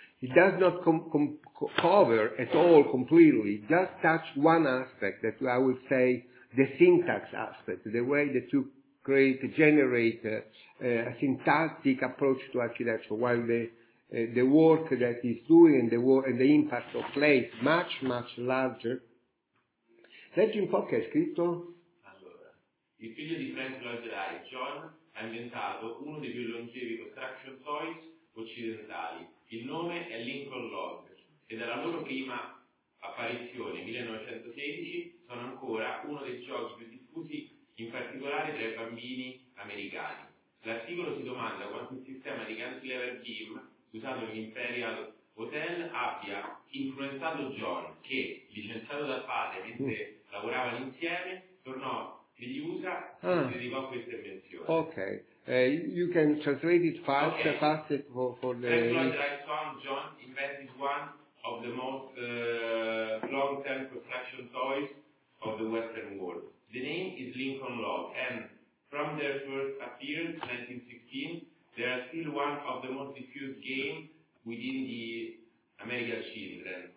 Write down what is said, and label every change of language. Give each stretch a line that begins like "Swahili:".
English: It does not cover at all completely, just touch one aspect that I would say the syntax aspect, the way that you generate a syntactic approach to architecture, while the work that he's doing and the impact of play is much, much larger.
Italian: Leggi un po' che è scritto. Allora, il figlio di Frank Lloyd Wright, John, ha inventato uno dei più longevi construction toys occidentali. Il nome è Lincoln Log. E dalla loro prima apparizione, 1916, sono ancora uno dei giochi più diffusi, in particolare tra i bambini americani. L'articolo si domanda quanto il sistema di cantilever beam usato nell'Imperial Hotel abbia influenzato John, che, licenziato dal padre mentre lavoravano insieme, tornò negli USA e si dedicò a questa invenzione.
English: Ok, you can translate it fast, okay. Fast it for the... John invented one of the most long-term construction toys of the Western world. The name is Lincoln Log, and from their first appearance, 1916, they are still one of the most diffused games within the American children.